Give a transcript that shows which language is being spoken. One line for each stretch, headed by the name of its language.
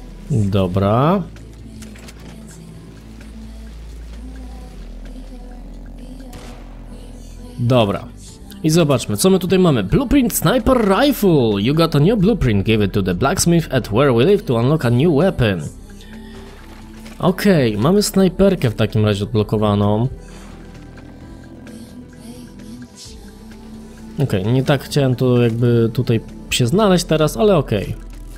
Polish: Dobra. Dobra. I zobaczmy, co my tutaj mamy.
English: Blueprint Sniper Rifle! You got a new blueprint, give it to the blacksmith at where we live to unlock a new weapon.
Polish: Okej, okay, mamy snajperkę w takim razie odblokowaną. Okej, okay, nie tak chciałem to jakby tutaj się znaleźć teraz, ale okej. Okay.